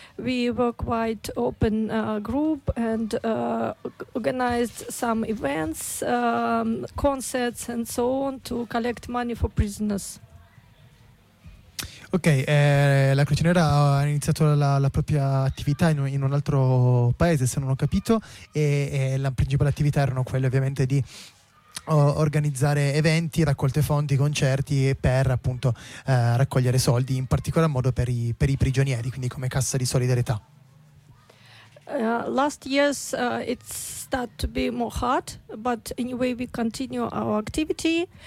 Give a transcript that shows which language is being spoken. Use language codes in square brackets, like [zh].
[en] We were quite open group and organized some events, concerts and so on to collect money for prisoners. [it] Ok, la Croce Nera ha iniziato la propria attività in un altro paese, se non ho capito, e la principale attività erano quelle ovviamente di organizzare eventi, raccolte fondi, concerti per appunto raccogliere soldi, in particolar modo per i prigionieri, quindi come cassa di solidarietà. [en] Last years it started to be more hard, but anyway we continue our activity.